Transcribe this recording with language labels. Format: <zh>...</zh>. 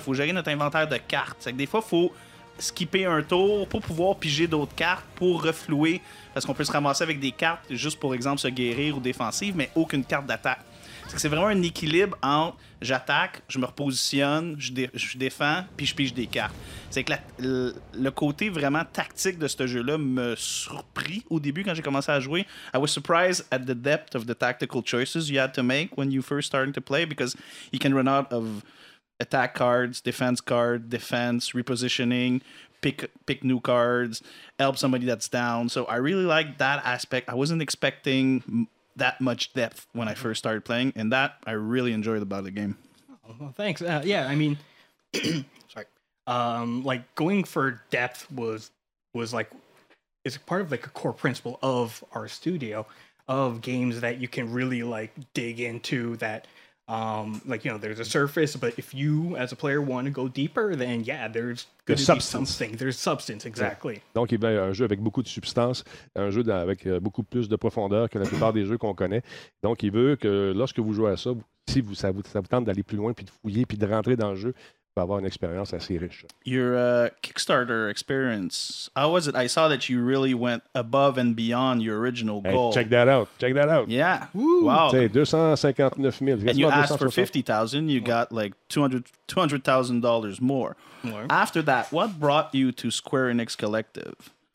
<fr>Il faut gérer notre inventaire de cartes. C'est que des fois, il faut skipper un tour pour pouvoir piger d'autres cartes pour reflouer, parce qu'on peut se ramasser avec des cartes juste pour exemple se guérir ou défensive, mais aucune carte d'attaque. C'est que c'est vraiment un équilibre entre j'attaque, je me repositionne, je défends, puis je pige des cartes. C'est que le côté vraiment tactique de ce jeu-là me surprit au début quand j'ai commencé à jouer.</fr> <en>I was surprised at the depth of the tactical choices you had to make when you first started to play because you can run out of attack cards, defense cards, defense, repositioning, pick new cards, help somebody that's down. So I really liked that aspect. I wasn't expecting that much depth when I first started playing, and that I really enjoyed about the game. Oh, well, thanks. Yeah, I mean... like going for depth was like it's part of like a core principle of our studio of games that you can really like dig into that like you know there's a surface but if you as a player want to go deeper then yeah there's going to be something there's substance exactly</en> <fr>ouais. Donc il y a un jeu avec beaucoup de substance, un jeu avec beaucoup plus de profondeur que la plupart des jeux qu'on connaît. Donc il veut que lorsque vous jouez à ça, si vous ça vous tente d'aller plus loin puis de fouiller puis de rentrer dans le jeu, avoir une expérience assez riche.</fr> <en>Your Kickstarter experience, how was it? I saw that you really went above and beyond your original goal. Hey, check that out. Yeah. Woo. Wow. 259,000. And you asked for 50,000, you got like $200,000 more. More. After that, what brought you to Square Enix Collective?</en>